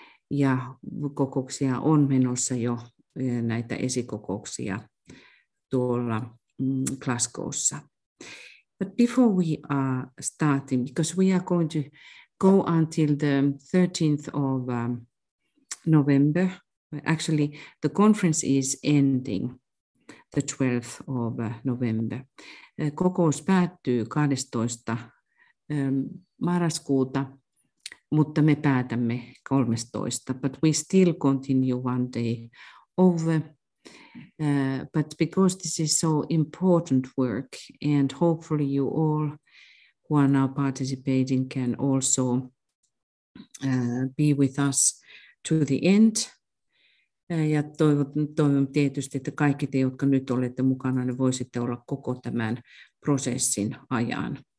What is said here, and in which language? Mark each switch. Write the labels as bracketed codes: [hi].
[fi] Ja kokouksia on menossa jo, näitä esikokouksia tuolla Glasgow'ssa. [en] But before we are starting, because we are going to go until the 13th of November, actually the conference is ending the 12th of November. [fi] Kokous päättyy 12. marraskuuta, mutta me päätämme 13. [en] But we still continue one day over. But because this is so important work, and hopefully you all who are now participating can also be with us to the end. [fi] Ja toivon tietysti, että kaikki te, jotka nyt olette mukana, ne voisitte olla koko tämän prosessin ajan.